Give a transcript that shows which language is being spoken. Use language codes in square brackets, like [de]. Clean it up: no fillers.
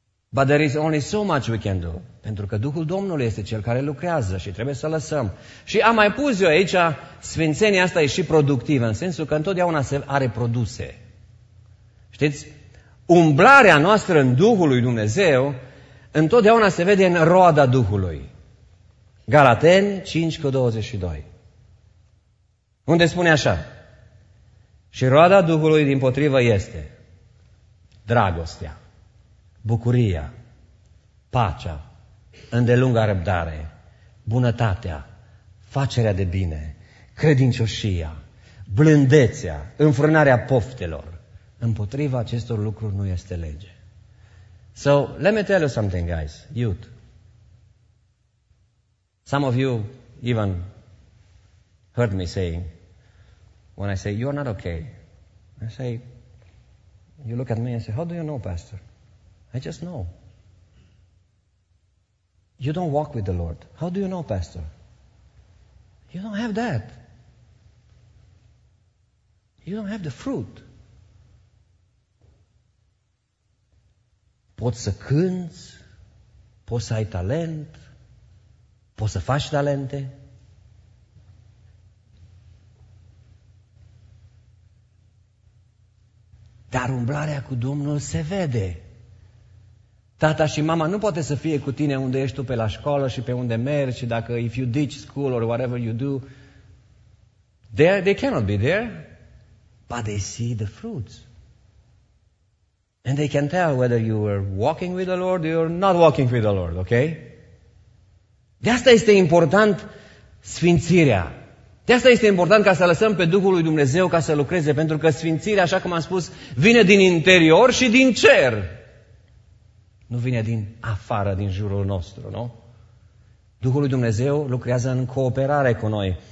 [en] But there is only so much we can do. [ro] Pentru că Duhul Domnului este Cel care lucrează și trebuie să lăsăm. Și am mai pus eu aici, sfințenia asta e și productivă, în sensul că întotdeauna se are produse. Știți? Umblarea noastră în Duhul lui Dumnezeu întotdeauna se vede în roada Duhului. Galateni 5:22. Unde spune așa? Și roada Duhului dimpotrivă este dragostea, bucuria, pacea, îndelunga răbdare, bunătatea, facerea de bine, credincioșia, blândețea, înfrânarea poftelor. Împotriva acestor lucruri nu este lege. [en] So, let me tell you something, guys. Youth. Some of you, even heard me saying, when I say, you're not okay, I say, you look at me and say, how do you know, Pastor? I just know. You don't walk with the Lord. How do you know, Pastor? You don't have that. You don't have the fruit. [ro] Poți să cânți, poți să ai talent, poți să faci talente. Dar umblarea cu Domnul se vede. Tata și mama nu poate să fie cu tine unde ești tu pe la școală și pe unde mergi și dacă, [en] if you ditch school or whatever you do, they cannot be there. But they see the fruits. And they can tell whether you are walking with the Lord or you're not walking with the Lord, okay? [ro] De asta este important sfințirea. De asta este important ca să lăsăm pe Duhul lui Dumnezeu ca să lucreze, pentru că sfințirea, așa cum am spus, vine din interior și din cer. Nu vine din afară, din jurul nostru, nu? Duhul lui Dumnezeu lucrează în cooperare cu noi.